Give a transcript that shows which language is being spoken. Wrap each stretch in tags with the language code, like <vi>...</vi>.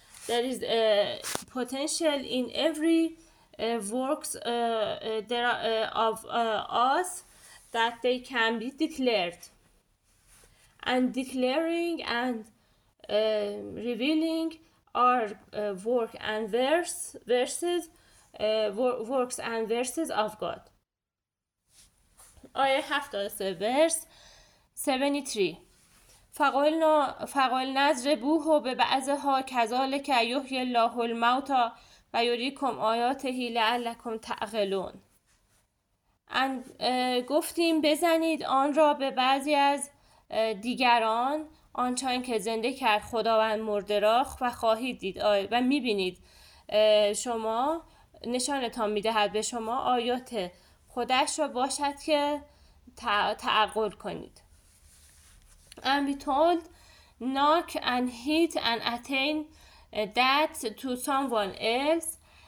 <en>There is a potential in every works of us that they can be declared, and declaring and revealing are works and verses of God.</en> <ar>آیه 73 فقلنا اضربوه به بعضها کذلک یحیی الله الموتا و یریکم آیاته لعلکم تعقلون.</ar> <fa>And گفتیم بزنید آن را به بعضی از دیگران آنچان که زنده کرد خداوند مرده را، و خواهید دید و میبینید شما نشانتان میدهد به شما آیات خودش را، باشد که تعقل کنید.</fa> <en>And we told knock and hit and attain that to someone else.</en>